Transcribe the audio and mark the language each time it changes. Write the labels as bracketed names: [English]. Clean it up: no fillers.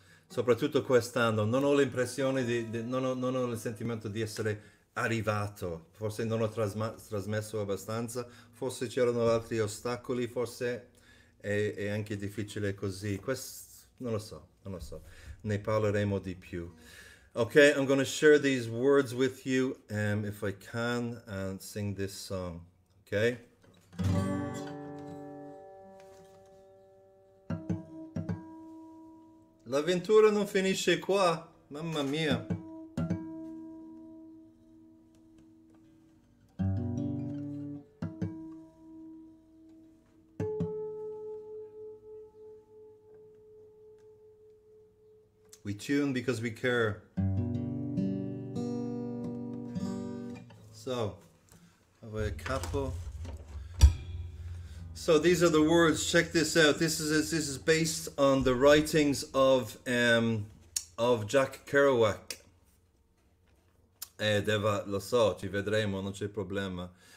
[Italian] Soprattutto quest'anno, non ho l'impressione non ho il sentimento di essere arrivato. Forse non ho trasmesso abbastanza, forse c'erano altri ostacoli, forse è anche difficile così. Non lo so, ne parleremo di più. [English] Ok, I'm going to share these words with you, if I can, and sing this song, ok? [Italian] L'avventura non finisce qua, mamma mia. [English] We tune because we care. So, have a capo. So these are the words. Check this out. This is based on the writings of Jack Kerouac. [Italian] Deva, lo so, ci vedremo, non c'è problema.